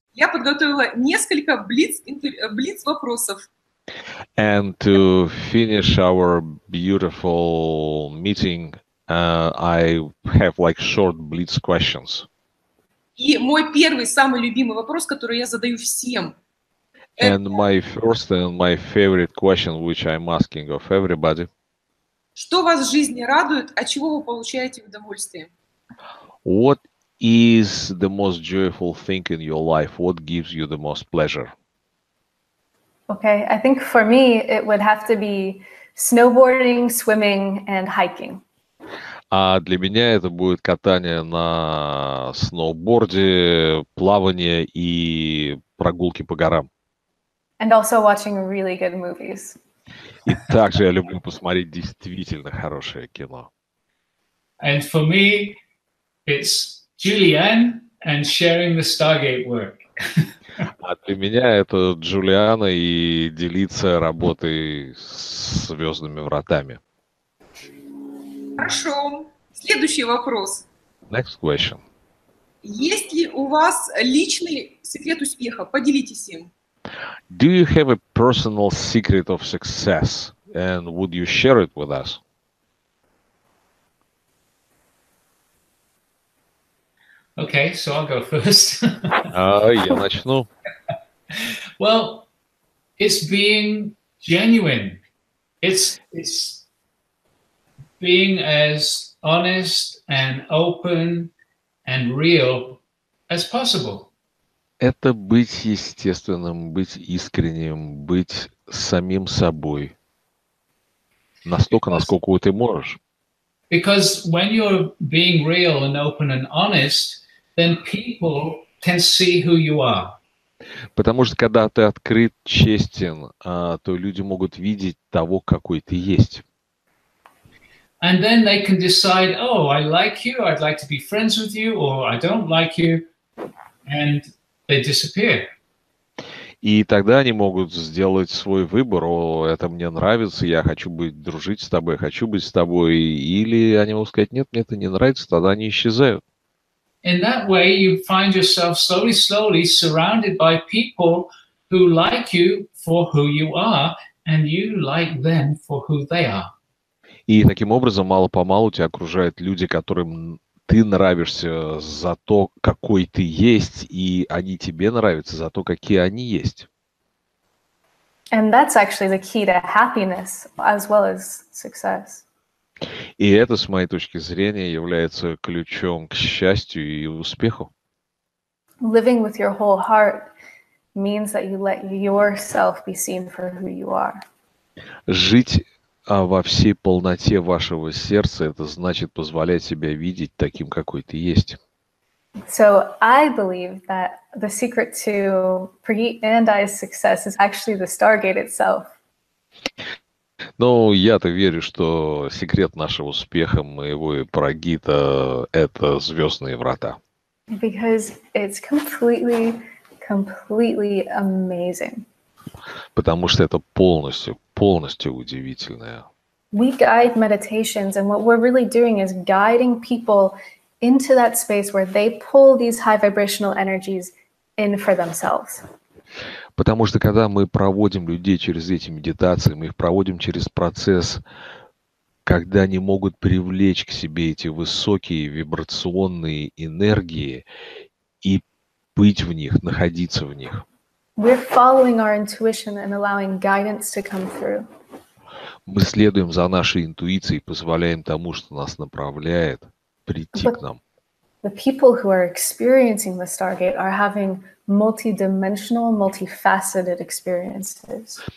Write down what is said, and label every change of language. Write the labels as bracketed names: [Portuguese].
[Russian] подготовила несколько блиц-вопросов. [English] And to finish our beautiful meeting, I have like short blitz questions. [Russian] И мой первый, самый любимый вопрос, который я задаю всем, это... [English] And my first and my favorite question, which I'm asking of everybody. [Russian] Что вас в жизни радует, от чего вы получаете удовольствие? [English] What is the most joyful thing in your life? What gives you the most pleasure? Okay, I think for me it would have to be snowboarding, swimming, and hiking. [Russian] А для меня это будет катание на сноуборде, плавание и прогулки по горам. [English] And also watching really good movies. [Russian] И также я люблю посмотреть действительно хорошее кино. [English] And for me, it's Julianne and sharing the Stargate work. [Russian] А для меня это Джулиана и делиться работой с «Звездными вратами». Хорошо. Следующий вопрос. [English] Next question. [Russian] Есть ли у вас личный секрет успеха? Поделитесь им. [English] Do you have a personal secret of success, and would you share it with us? Okay, so I'll go first. [Russian] Я начну. [English] Well, it's being genuine. It's being as honest and open and real as possible. [Russian] Это быть естественным, быть искренним, быть самим собой. Настолько, насколько ты можешь. [English] Because when you're being real and open and honest, then people can see who you are. [Russian] Потому что когда ты открыт, честен, то люди могут видеть того, какой ты есть. [English] And then they can decide, oh, I like you, I'd like to be friends with you, or I don't like you, and they disappear. [Russian] И тогда они могут сделать свой выбор, о, это мне нравится, я хочу быть дружить с тобой, хочу быть с тобой. Или они могут сказать, нет, мне это не нравится, тогда они исчезают. [English] In that way, you find yourself slowly, slowly surrounded by people who like you for who you are, and you like them for who they are. [Russian] И таким образом, мало-помалу тебя окружают люди, которым ты нравишься за то, какой ты есть, и они тебе нравятся за то, какие они есть. [English] And that's actually the key to happiness as well as success. [Russian] И это, с моей точки зрения, является ключом к счастью и успеху. [English] Living with your whole heart means that you let yourself be seen for who you are. [Russian] Жить а во всей полноте вашего сердца, это значит позволять себя видеть таким, какой ты есть. [English] So I believe that the secret to Pri and I's success is actually the Stargate itself. [Russian] Ну, я-то верю, что секрет нашего успеха, моего и Прагита, это звездные врата. [English] Because it's completely, completely amazing. [Russian] Потому что это полностью, полностью удивительное. [English] We guide meditations, and what we're really doing is guiding people into that space where they pull these high vibrational energies in for themselves. [Russian] Потому что когда мы проводим людей через эти медитации, мы их проводим через процесс, когда они могут привлечь к себе эти высокие вибрационные энергии и быть в них, находиться в них. [English] We're following our intuition and allowing guidance to come through. [Russian] Мы следуем за нашей интуицией, позволяем тому, что нас направляет, прийти к [English] But [Russian] нам. [English] the people who are experiencing the Stargate are having multidimensional, multifaceted experiences.